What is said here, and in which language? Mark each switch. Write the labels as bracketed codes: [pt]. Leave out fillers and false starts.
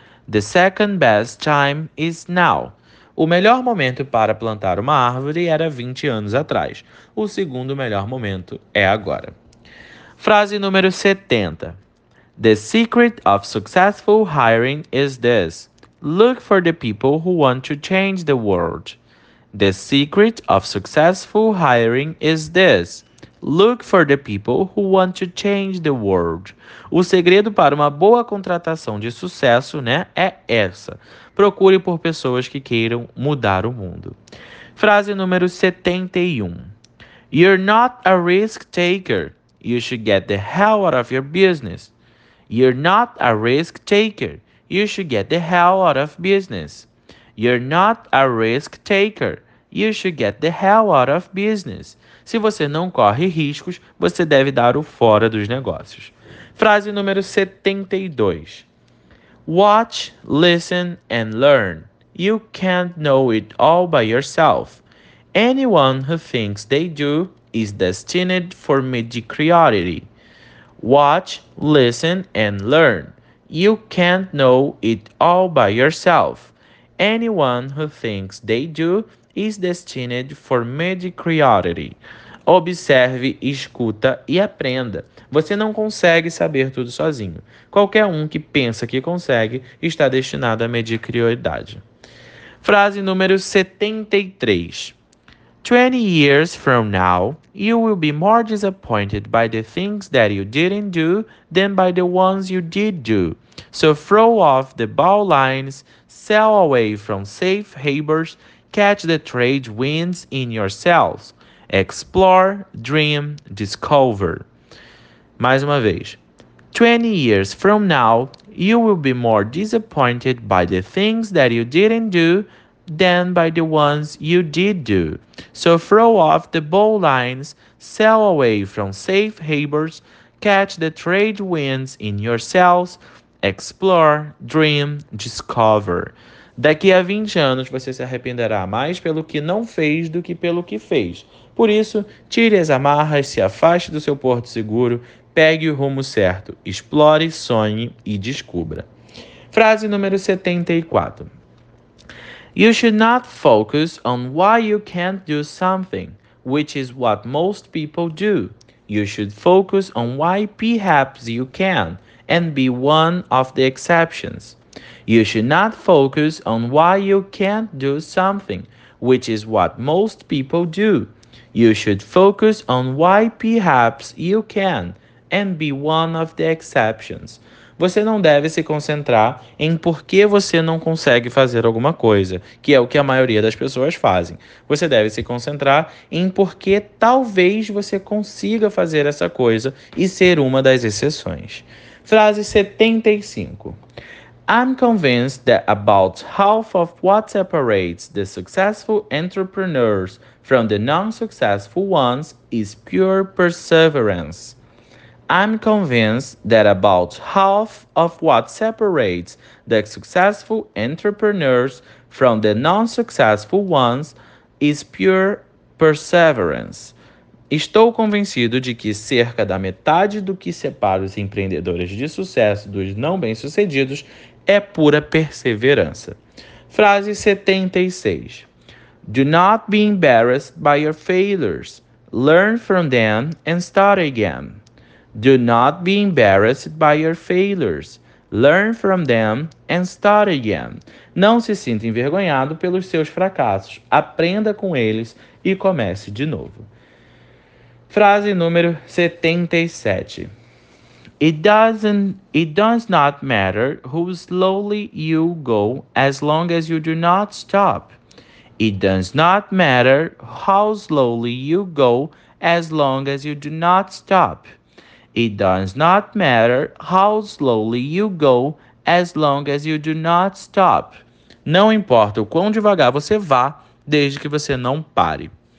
[en] The second best time is now. [pt] O melhor momento para plantar uma árvore era 20 anos atrás. O segundo melhor momento é agora. Frase número 70. [en] The secret of successful hiring is this. Look for the people who want to change the world. The secret of successful hiring is this. Look for the people who want to change the world. [pt] O segredo para uma boa contratação de sucesso, né, é essa. Procure por pessoas que queiram mudar o mundo. Frase número 71. [en] You're not a risk taker. You should get the hell out of your business. You're not a risk taker. You should get the hell out of business. You're not a risk taker. You should get the hell out of business. [pt] Se você não corre riscos, você deve dar o fora dos negócios. Frase número 72. [en] Watch, listen and learn. You can't know it all by yourself. Anyone who thinks they do is destined for mediocrity. Watch, listen and learn. You can't know it all by yourself. Anyone who thinks they do is destined for mediocrity. [pt] Observe, escuta e aprenda. Você não consegue saber tudo sozinho. Qualquer um que pensa que consegue está destinado à mediocridade. Frase número 73. [en] 20 years from now, you will be more disappointed by the things that you didn't do than by the ones you did do. So throw off the bowlines, sail away from safe harbors, catch the trade winds in yourselves. Explore, dream, discover. [pt] Mais uma vez. [en] 20 years from now, you will be more disappointed by the things that you didn't do than by the ones you did do. So throw off the bowlines, sail away from safe harbors, catch the trade winds in yourselves, explore, dream, discover. [pt] Daqui a 20 anos você se arrependerá mais pelo que não fez do que pelo que fez. Por isso, tire as amarras, se afaste do seu porto seguro, pegue o rumo certo, explore, sonhe e descubra. Frase número 74. [en] You should not focus on why you can't do something, which is what most people do. You should focus on why perhaps you can, and be one of the exceptions. You should not focus on why you can't do something, which is what most people do. You should focus on why perhaps you can, and be one of the exceptions. [pt] Você não deve se concentrar em por que você não consegue fazer alguma coisa, que é o que a maioria das pessoas fazem. Você deve se concentrar em por que talvez você consiga fazer essa coisa e ser uma das exceções. Frase 75. [en] I'm convinced that about half of what separates the successful entrepreneurs from the non-successful ones is pure perseverance. I'm convinced that about half of what separates the successful entrepreneurs from the non-successful ones is pure perseverance. [pt] Estou convencido de que cerca da metade do que separa os empreendedores de sucesso dos não bem-sucedidos é pura perseverança. Frase 76. [en] Do not be embarrassed by your failures. Learn from them and start again. Do not be embarrassed by your failures. Learn from them and start again. [pt] Não se sinta envergonhado pelos seus fracassos. Aprenda com eles e comece de novo. Frase número 77. [en] It does not matter how slowly you go as long as you do not stop. It does not matter how slowly you go as long as you do not stop. It does not matter how slowly you go as long as you do not stop. [pt] Não importa o quão devagar você vá, desde que você não pare.